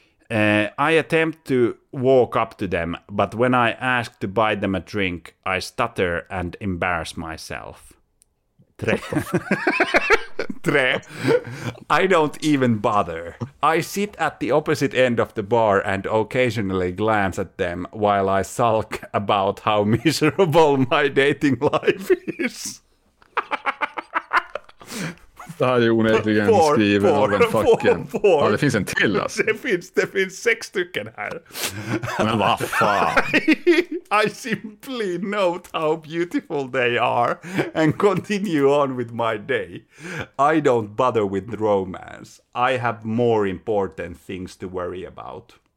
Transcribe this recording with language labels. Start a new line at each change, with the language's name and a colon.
English: I attempt to walk up to them, but when I ask to buy them a drink, I stutter and embarrass myself. 3. 3. I don't even bother. I sit at the opposite end of the bar and occasionally glance at them while I sulk about how miserable my dating life is.
Swedish: Det här är onödigen skriven av en fucking... Ja, det finns en till alltså. Det finns 6 stycken här. Men vad fan?
English: I simply note how beautiful they are and continue on with my day. I don't bother with romance. I have more important things to worry about.